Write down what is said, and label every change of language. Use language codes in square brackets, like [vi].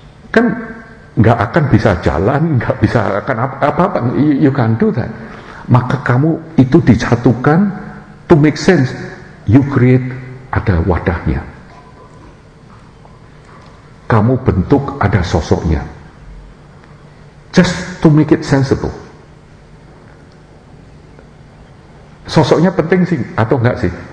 [id] Kan enggak akan bisa jalan, enggak bisa akan apa-apa, [en] you can't do that. [id] Maka kamu itu disatukan [en] to make sense, you create [id] ada wadahnya. Kamu bentuk ada sosoknya. [en] Just to make it sensible. [id] Sosoknya penting sih atau enggak sih?